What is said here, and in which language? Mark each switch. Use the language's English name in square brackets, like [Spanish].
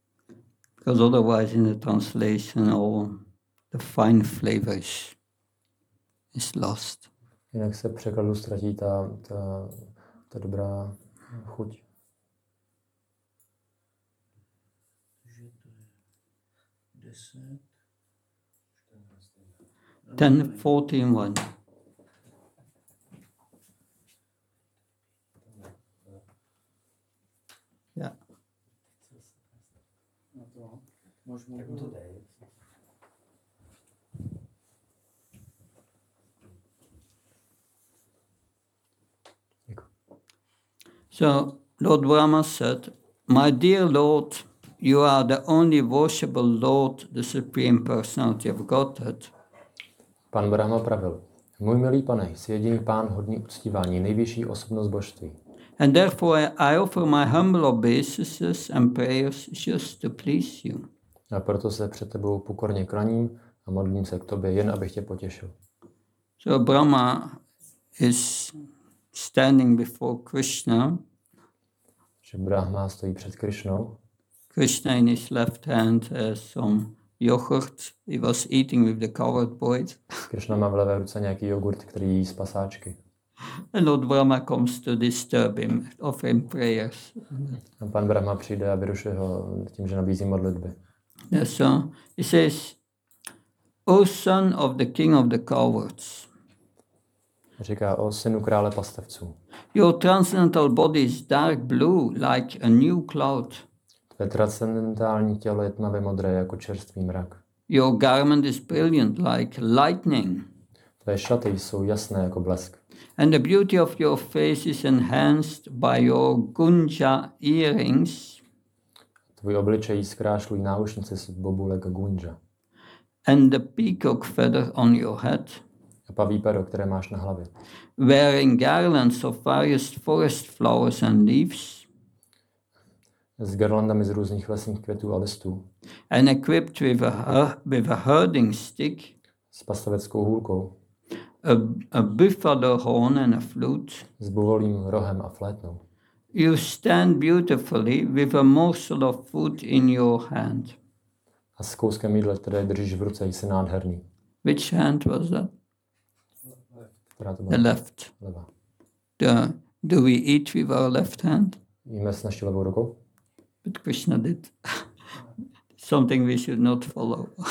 [English] 10.14. Because otherwise in the translation all the fine flavors is lost. [Czech] Jinak se překladu ztratí ta dobrá chuť. Takže to je 10, 14. 10, 14, 1. Tak to dej. [English] So Lord Brahma said, "My dear Lord, you are the only worshipable Lord, the Supreme Personality of Godhead." [Czech] Pan Brahma pravil: "Můj milý pane, jsi jediný pán hodný uctívání, nejvyšší osobnost božství." [English] And therefore I offer my humble obeisances and prayers just to please you. [Czech] A proto se před tebou pokorně klaním a modlím se k tobě jen abych tě potěšil. [English] So Brahma is standing before Krishna. [Czech] Že Brahma stojí před Krishnou. [English] Krishna in his left hand has some yogurt he was eating with the coward boys. [Czech] Krishna má v levé ruce nějaký jogurt, který jí z pasáčky. [English] And Lord Brahma comes to disturb him, offering prayers. [Czech] A pan Brahma přijde a vyrušuje ho tím, že nabízí modlitby. [English] Yeah, so he says, "O son of the king of the cowards." [Czech] Říká: "O synu krále pastevců." [English] "Your transcendental body is dark blue, like a new cloud." [Czech] Tvé transcendentální tělo je tmavě modré jako čerstvý mrak. [English] "Your garment is brilliant, like lightning." [Czech] Tvé šaty jsou jasné jako blesk. [English] "And the beauty of your face is enhanced by your gunja earrings." [Czech] Tvůj obličej zkrášlují náušnice z bobulek gunja. [English] "And the peacock feather on your head." [Czech] A pavý pero, které máš na hlavě. [English] "Wearing garlands of various forest flowers and leaves." [Czech] S garlandami z různých lesních květů a listů. [English] "And equipped with a herding stick." [Czech] S pastaveckou hůlkou. [English] A buffalo horn and a flute. [Czech] S buvolím rohem a flétnou. [English] "You stand beautifully with a morsel of food in your hand." [Czech] A s kouskem jídla, které držíš v ruce, jsi nádherný. [English] "Which hand was that?" [Czech] Která to byla? [English] "The left." [Czech] Levá. [English] "Do we eat with our left hand?" [Czech] Jíme s naší levou rukou? [English] "But Krishna did." Something we should not follow.